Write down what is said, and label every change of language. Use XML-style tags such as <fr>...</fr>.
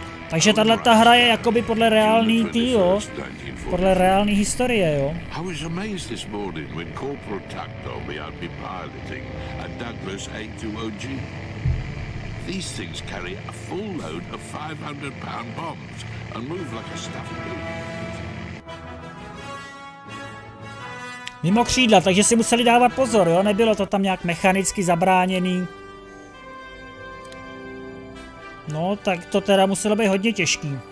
<cs>Takže tahle ta hra je jakoby podle reální tý, jo? Podle reální historie, jo?</cs> <en>I was amazed this morning when Corporal Tuck told me I'd be piloting a Douglas A20G. These things carry a full load of 500 pound bombs and move like a stuffed balloon.</en> <cs>Mimo křídla, takže si museli dávat pozor, jo? Nebylo to tam nějak mechanicky zabráněný. No, tak to teda muselo být hodně těžký.</cs>